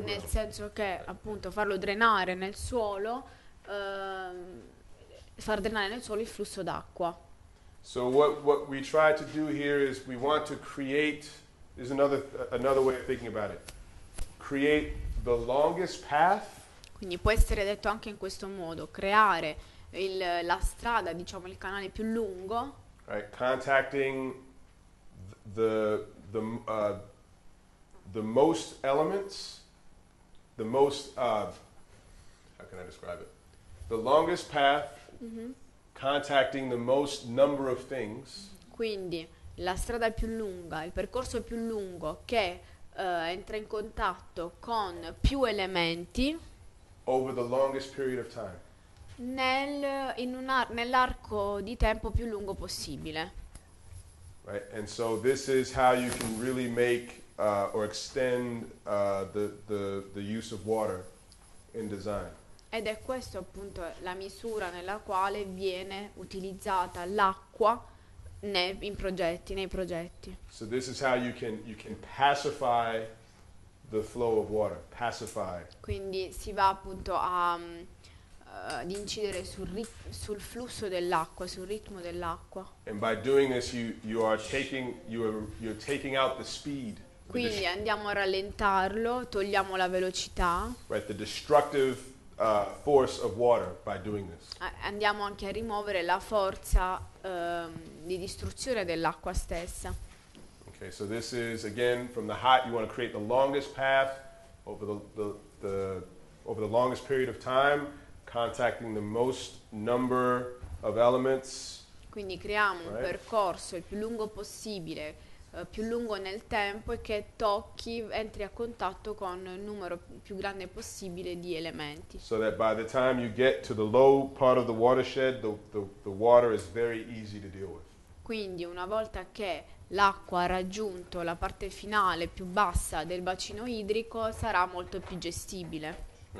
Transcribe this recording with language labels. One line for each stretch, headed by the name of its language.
Italian: nel senso che appunto farlo drenare nel suolo, far drenare nel suolo il flusso d'acqua.
English: So what we try to do here is we want to create, is another way of thinking about it, create the longest path.
Italian: Quindi può essere detto anche in questo modo, creare la strada, diciamo il canale più lungo.
English: Right, contacting the most elements, the most, how can I describe it? The longest path, contacting the most number of things.
Italian: Quindi la strada più lunga, il percorso più lungo che entra in contatto con più elementi.
English: Over the longest period of time.
Italian: Nell'arco di tempo più lungo possibile.
English: Right, and so this is how you can really make or extend the use of water in design.
Italian: Ed è questo appunto la misura nella quale viene utilizzata l'acqua nei progetti.
English: So this is how you can pacify the flow of water, pacify.
Italian: Quindi si va appunto ad incidere sul flusso dell'acqua, sul ritmo dell'acqua.
English: And by doing this you're taking out the speed.
Italian: Quindi andiamo a rallentarlo, togliamo la velocità.
English: Right, the destructive force of water by doing this.
Italian: Andiamo anche a rimuovere la forza di distruzione dell'acqua stessa.
English: Okay, so this is again from the hot. You want to create the longest path over the longest period of time, contacting the most number of elements.
Italian: Quindi creiamo right? Un percorso il più lungo possibile, più lungo nel tempo e che entri a contatto con il numero più grande possibile di elementi.
English: So that by the time you get to the low part of the watershed, the water is very easy to deal with.
Italian: Quindi una volta che l'acqua ha raggiunto la parte finale più bassa del bacino idrico sarà molto più gestibile.